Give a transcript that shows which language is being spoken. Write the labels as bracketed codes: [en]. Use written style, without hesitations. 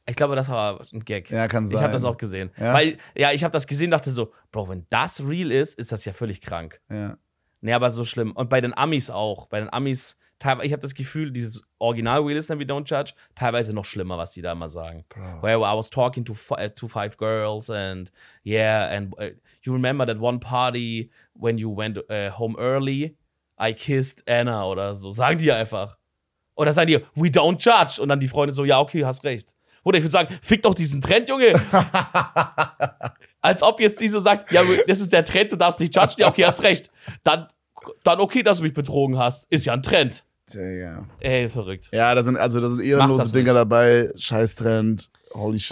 [de] Ich glaube, das war ein Gag. Ja, kann sein. Ich habe das auch gesehen. Ja? Weil, ja, ich habe das gesehen und dachte so, Bro, wenn das real ist, ist das ja völlig krank. Ja. Nee, aber so schlimm. Und bei den Amis auch. Bei den Amis, teilweise, ich habe das Gefühl, dieses Original [en] We Listen and We Don't Judge, [de] teilweise noch schlimmer, was die da immer sagen. Bro. [en] Well, I was talking to five girls and yeah, and you remember that one party when you went home early, I kissed Anna [de] oder so. Sagen die einfach. Oder sagen die, [en] we don't judge. [de] Und dann die Freunde so, ja, okay, hast recht. Oder ich würde sagen, fick doch diesen Trend, Junge. Als ob jetzt die so sagt, ja, das ist der Trend, du darfst nicht judgen. Ja, okay, hast recht. Dann okay, dass du mich betrogen hast. Ist ja ein Trend. Ja. Ey, verrückt. Ja, da sind ehrenlose Dinger dabei. Scheiß Trend. [en] Holy shit.